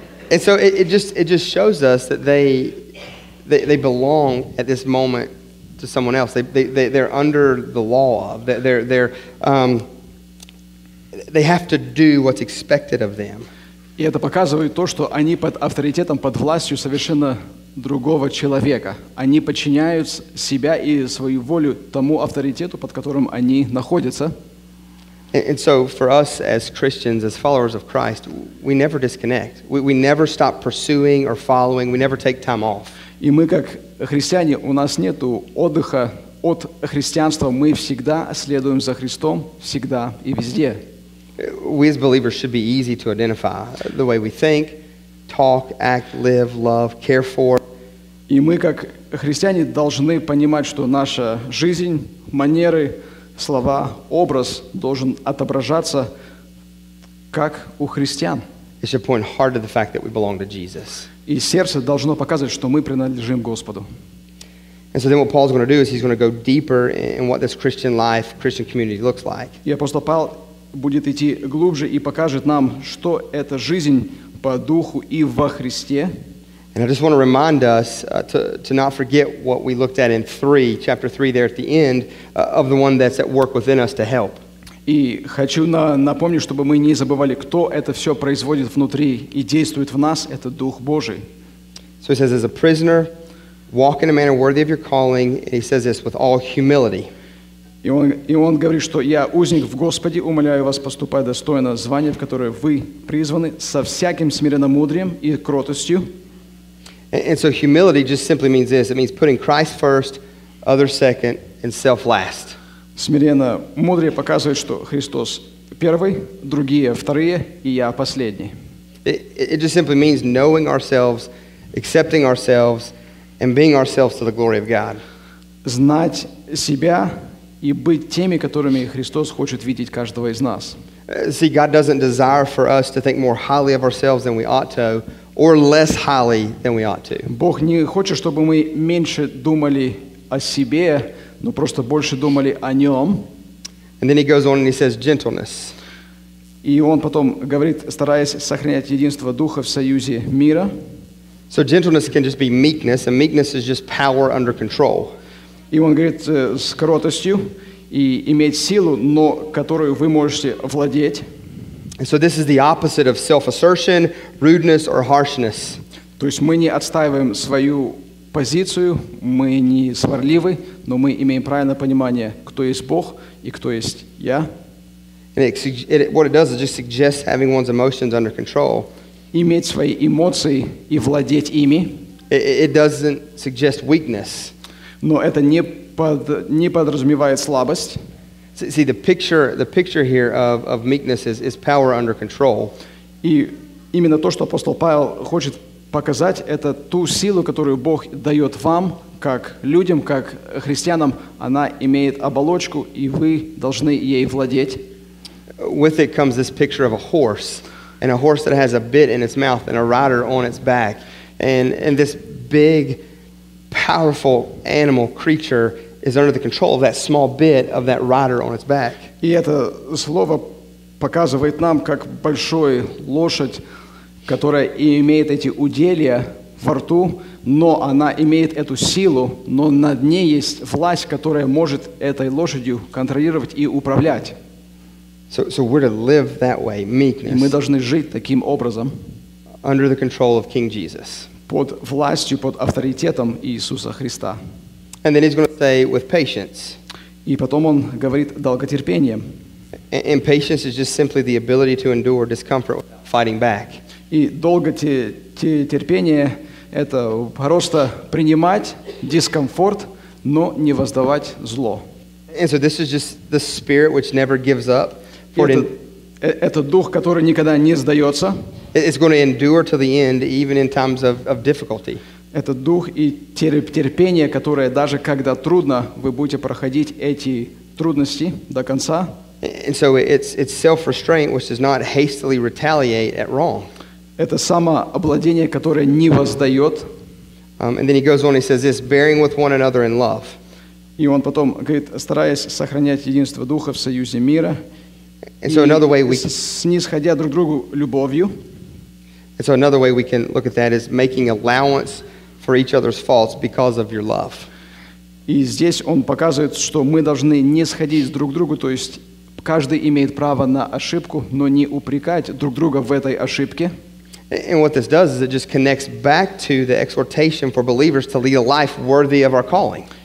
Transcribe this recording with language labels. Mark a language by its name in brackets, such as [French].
[English] And so it just shows us that they belong at this moment to someone else. They're under the law. They have to do what's expected of them. [Russian] И это показывает то, что они под авторитетом, под властью совершенно другого человека. Они подчиняют себя и свою волю тому авторитету, под которым они находятся. [English] And so for us as Christians, as followers of Christ, we never disconnect. We never stop pursuing or following. We never take time off. [Russian] И мы как христиане, у нас нету отдыха от христианства. Мы всегда следуем за Христом, всегда и везде. [English] We as believers should be easy to identify the way we think, talk, act, live, love, care for. [Russian] И мы как христиане должны понимать, что наша жизнь, манеры, слова, образ должен отображаться как у христиан. [English] It should point hard to the fact that we belong to Jesus. [Russian] И сердце должно показывать, что мы принадлежим Господу. [English] And so then what Paul's going to do is he's going to go deeper in what this Christian life, Christian community looks like. [Russian] И апостол Павел будет идти глубже и покажет нам, что это жизнь по духу и во Христе. [English] And I just want to remind us to not forget what we looked at in 3, chapter 3 there at the end, of the one that's at work within us to help. [Russian] И хочу напомнить, чтобы мы не забывали, кто это все производит внутри и действует в нас, это Дух Божий. [English] So he says, as a prisoner, walk in a manner worthy of your calling, and he says this, with all humility. [Russian] И он говорит, что я узник в Господе, умоляю вас поступать достойно звания, в которое вы призваны, со всяким смиренномудрием и кротостью. [English] And so humility just simply means this. It means putting Christ first, others second, and self last. [Russian] Смиренно мудрее показывает, что Христос первый, другие вторые, и я последний. [English] It just simply means knowing ourselves, accepting ourselves, and being ourselves to the glory of God. [Russian] Знать себя и быть теми, которыми Христос хочет видеть каждого из нас. [English] See, God doesn't desire for us to think more highly of ourselves than we ought to, or less highly than we ought to. [Russian] Бог не хочет, чтобы мы меньше думали о себе, но просто больше думали о нем. [English] And then he goes on and he says, gentleness. [Russian] И он потом говорит, стараясь сохранять единство духа в союзе мира. [English] So gentleness can just be meekness, and meekness is just power under control. [Russian] И он говорит, с кротостью и иметь силу, но которую вы можете владеть. [English] So this is the opposite of self-assertion, rudeness, or harshness. [Russian] То есть мы не отстаиваем свою позицию, мы не сварливы, но мы имеем правильное понимание, кто есть Бог и кто есть я. [English] And what it does is just suggests having one's emotions under control. [Russian] Иметь свои эмоции и владеть ими. [English] It doesn't suggest weakness. [Russian] Но это не подразумевает слабость. [English] See, the picture here of meekness is power under control. [Russian] И именно то, что апостол Павел хочет показать, это ту силу, которую Бог дает вам, как людям, как христианам, она имеет оболочку, и вы должны ей владеть. [English] With it comes this picture of a horse, and a horse that has a bit in its mouth and a rider on its back, and this big, powerful animal creature is under the control of that small bit of that rider on its back. [Russian] И это слово показывает нам, как большой лошадь, которая имеет эти уделья во рту, но она имеет эту силу, но над ней есть власть, которая может этой лошадью контролировать и управлять. [English] So we're to live that way, meekness. [Russian] И мы должны жить таким образом. [English] Under the control of King Jesus. [Russian] Под властью, под авторитетом Иисуса Христа. [English] And then he's going to say, with patience. [Russian] И потом он говорит долготерпением. [English] And patience is just simply the ability to endure discomfort without fighting back. [Russian] И долготерпение – это просто принимать дискомфорт, но не воздавать зло. [English] And so this is just the spirit which never gives up. [Russian] Это дух, который никогда не сдается. [English] It's going to endure to the end, even in times of difficulty. [Russian] Это дух и терпение, которое даже когда трудно, вы будете проходить эти трудности до конца. [English] And so it's self-restraint, which does not hastily retaliate at wrong. [Russian] Это самообладение, которое не воздает. [English] And then he goes on, he says this, bearing with one another in love. [Russian] И он потом говорит, стараясь сохранять единство духа в союзе мира. [English] And so another way we [Russian] снисходя друг другу любовью. [English] And so another way we can look at that is making allowance for each other's faults because of your love. [Russian] И здесь он показывает, что мы должны не сходить друг к другу, то есть каждый имеет право на ошибку, но не упрекать друг друга в этой ошибке. [English] And what this does is it just connects back to the exhortation for believers to lead a life worthy of our calling.